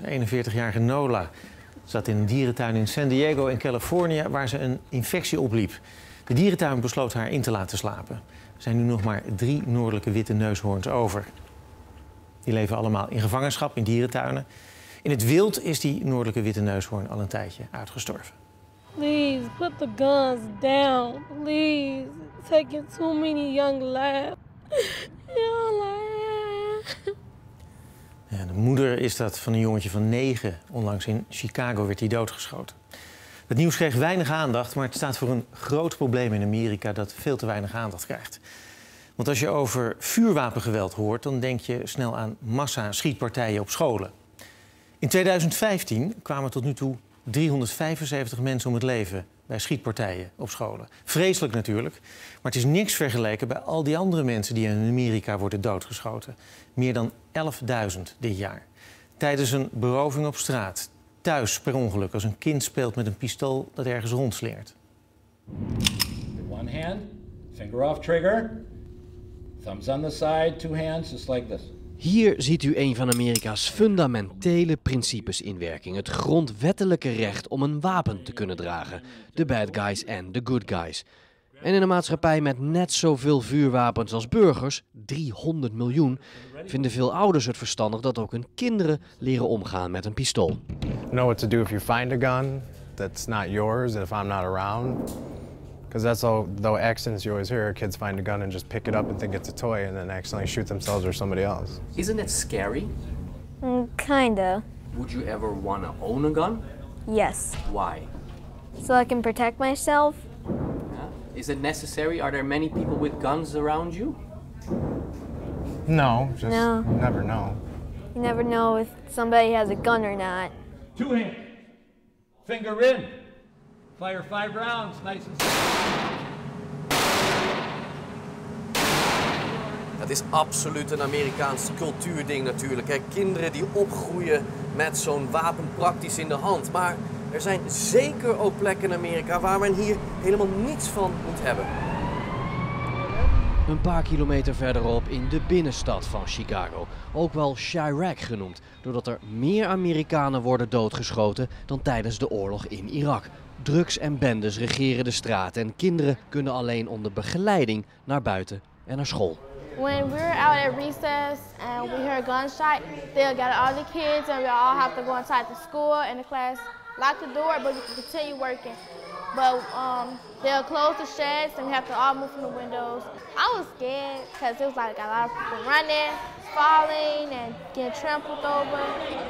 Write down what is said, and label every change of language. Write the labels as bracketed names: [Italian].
[Dutch] 41-jarige Nola zat in een dierentuin in San Diego in Californië waar ze een infectie opliep. De dierentuin besloot haar in te laten slapen. Er zijn nu nog maar 3 noordelijke witte neushoorns over. Die leven allemaal in gevangenschap in dierentuinen. In het wild is die noordelijke witte neushoorn al een tijdje uitgestorven. [English] Please put the guns down. Please take too many young lives. Young lives. [Dutch] Ja, de moeder is dat van een jongetje van 9. Onlangs in Chicago werd hij doodgeschoten. Het nieuws kreeg weinig aandacht, maar het staat voor een groot probleem in Amerika dat veel te weinig aandacht krijgt. Want als je over vuurwapengeweld hoort, dan denk je snel aan massa-schietpartijen op scholen. In 2015 kwamen tot nu toe 375 mensen om het leven bij schietpartijen op scholen. Vreselijk natuurlijk, maar het is niks vergeleken bij al die andere mensen die in Amerika worden doodgeschoten. Meer dan 11.000 dit jaar. Tijdens een beroving op straat, thuis per ongeluk, als een kind speelt met een pistool dat ergens rondslingert. [English] One hand, Finger off trigger. Thumbs on the side, two hands, just like this. [Dutch] Hier ziet u een van Amerika's fundamentele principes in werking. Het grondwettelijke recht om een wapen te kunnen dragen. [English] The bad guys and the good guys. [Dutch] En in een maatschappij met net zoveel vuurwapens als burgers, 300 miljoen, vinden veel ouders het verstandig dat ook hun kinderen leren omgaan met een pistool. [English] Know what to do if you find a gun that's not yours and if I'm not around. Because that's all, though accidents you always hear, kids find a gun and just pick it up and think it's a toy and then accidentally shoot themselves or somebody else. Isn't it scary? Kinda. Would you ever want to own a gun? Yes. Why? So I can protect myself. Is it necessary? Are there many people with guns around you? No, just never know. You never know if somebody has a gun or not. Two hands. Finger in. Fire five rounds, nice and slow. [Dutch] Dat is absoluut een Amerikaans cultuurding natuurlijk. Hè? Kinderen die opgroeien met zo'n wapen praktisch in de hand. Maar er zijn zeker ook plekken in Amerika waar men hier helemaal niets van moet hebben. Een paar kilometer verderop in de binnenstad van Chicago. Ook wel Chirac genoemd, doordat er meer Amerikanen worden doodgeschoten dan tijdens de oorlog in Irak. Drugs en bendes regeren de straat en kinderen kunnen alleen onder begeleiding naar buiten en naar school. [English] When we're out at recess and we hear a gunshot, they'll get all the kids and we all have to go inside the school and the class. Lock the door, but continue working. But they'll close the sheds and we have to all move from the windows. I was scared because it was like a lot of people running, falling, and getting trampled over.